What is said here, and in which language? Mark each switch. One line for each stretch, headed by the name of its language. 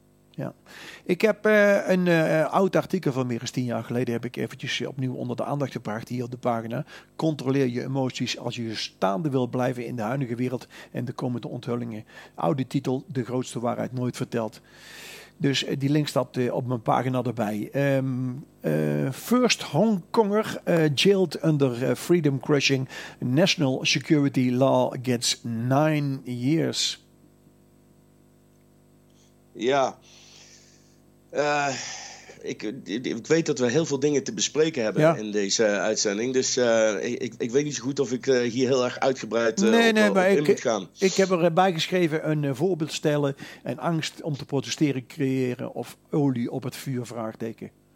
Dutch: Ja, ik heb oud artikel van meer dan 10 jaar geleden heb ik eventjes opnieuw onder de aandacht gebracht hier op de pagina. Controleer je emoties als je staande wil blijven in de huidige wereld en de komende onthullingen. Oude titel, de grootste waarheid nooit verteld. Dus die link staat op mijn pagina erbij.
English: First Hong Konger jailed under freedom crushing national security law gets 9 years.
Dutch: Ja. Ik weet dat we heel veel dingen te bespreken hebben in deze uitzending. Dus ik weet niet zo goed of ik hier heel erg uitgebreid op moet gaan. Ik heb erbij geschreven een voorbeeld stellen en angst om te protesteren creëren of olie op het vuur vraagteken.